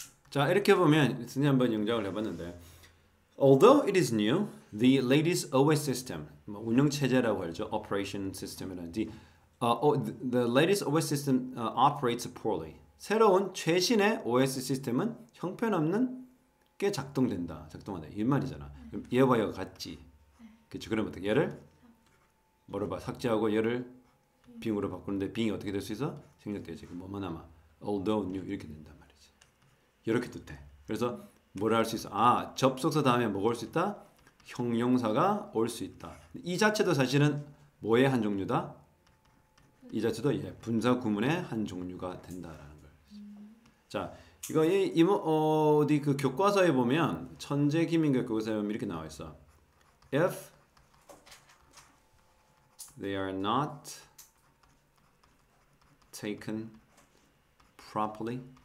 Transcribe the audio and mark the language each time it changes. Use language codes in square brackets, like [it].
[ko] 자, 이렇게 보면 이제 한번 영작을 해봤는데, [en] although it is new, the latest OS system, [ko] 뭐 운영체제라고 하죠, [en] operation system이라든지, the latest OS system operates poorly. [ko] 새로운 최신의 OS 시스템은 형편없는 게 작동된다, 작동한다 이 말이잖아. 예와 예가 같지, 그렇죠? 그럼 어떻게 얘를 뭐로 봐? 삭제하고 얘를 빙으로 바꾸는데 빙이 어떻게 될수 있어? 생략되지. 그 뭐만 남아? [en] although new [ko] 이렇게 된다. 이렇게도 돼. 그래서 뭐를 할수 있어? 아, 접속사 다음에 뭐가 올수 있다? 형용사가 올수 있다. 이 자체도 사실은 뭐의 한 종류다? 이 자체도 예, 분사 구문의 한 종류가 된다라는 거지. 자, 이거 어디 그 교과서에 보면 천재 김인교 교수님 이렇게 나와 있어. [en] If they are not taken properly.